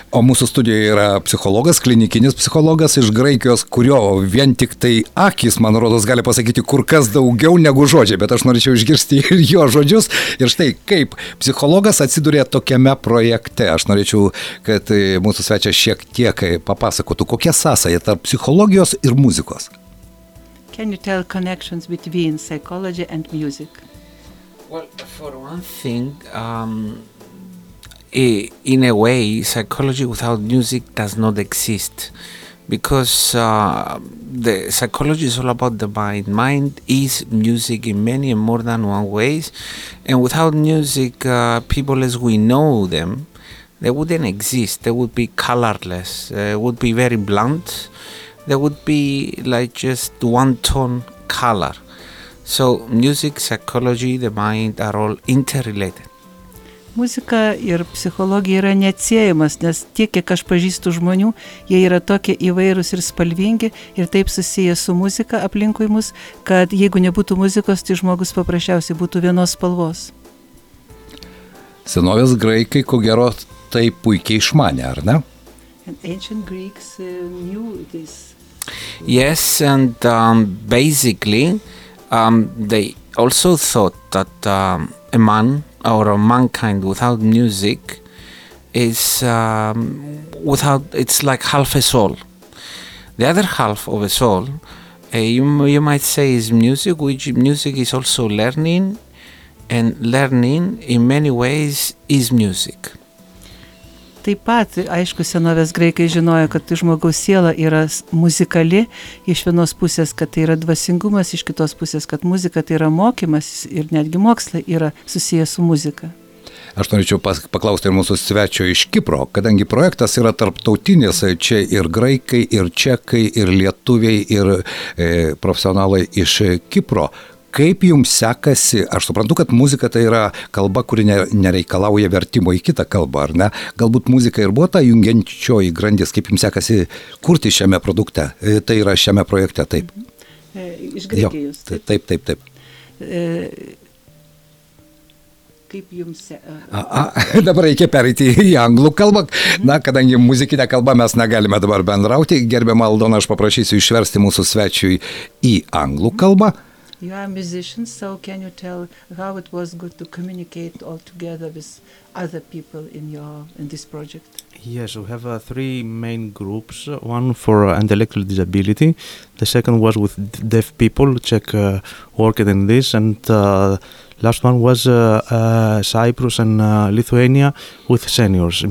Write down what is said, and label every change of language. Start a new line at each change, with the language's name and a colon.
Lithuanian: O mūsų studijoje yra psichologas, klinikinis psichologas iš Graikijos, kurio vien tik tai akis, man rodos, gali pasakyti kur kas daugiau negu žodžiai, bet aš norėčiau išgirsti ir jo žodžius. Ir štai, kaip psichologas atsidūrė tokiame projekte. Aš norėčiau, kad mūsų svečias šiek tiek papasakotų, kokia sąsaja tarp psichologijos ir muzikos.
English: Can you tell connections between psychology and music? Well, for one thing, in a way, psychology without music does not exist, because the psychology is all about the mind. Mind is music in many and more than one ways, and without music, people as we know them, they wouldn't exist. They would be colorless. Would be very blunt. There would be like just one tone color. So music, psychology, the mind are all interrelated.
Lithuanian: Muzika ir psichologija yra neatsiejamas, nes tiek, kiek aš pažįstu žmonių, jie yra tokie įvairūs ir spalvingi ir taip susiję su muzika aplinkui mus, kad jeigu nebūtų muzikos, tai žmogus paprasčiausiai būtų vienos spalvos. Senovės graikai, ko gero, tai puikiai išmanė, ar ne?
English: And ancient Greeks knew this. Yes, and basically they also thought that a man or a mankind without music is without, it's like half a soul. The other half of a soul, you might say, is music, which music is also learning, and learning in many ways is music.
Lithuanian: Taip pat, aišku, senovės graikai žinojo, kad žmogaus siela yra muzikali, iš vienos pusės, kad tai yra dvasingumas, iš kitos pusės, kad muzika tai yra mokymas ir netgi mokslai yra susiję su muzika. Aš norėčiau paklausti ir mūsų svečio iš Kipro, kadangi projektas yra tarptautinis, čia ir graikai, ir čekai, ir lietuviai, ir profesionalai iš Kipro. Kaip jums sekasi, aš suprantu, kad muzika tai yra kalba, kuri nereikalauja vertimo į kitą kalbą, ar ne? Galbūt muzika ir buvo ta jungiančioji grandis, kaip jums sekasi kurti šiame produkte, tai yra šiame projekte, taip. Iš Graikijos. Taip. Kaip jums sekasi? Dabar reikia pereiti į anglų kalbą, na, kadangi muzikinę kalbą mes negalime dabar bendrauti. Gerbiamą Aldoną, aš paprašysiu išversti mūsų svečiui į anglų kalbą.
English: You are a musician, so can you tell how it was good to communicate all together with other people in this project? Yes, we have three main groups, one for intellectual disability, the second was with deaf people, Czech worked in this, and last one was Cyprus and Lithuania with seniors.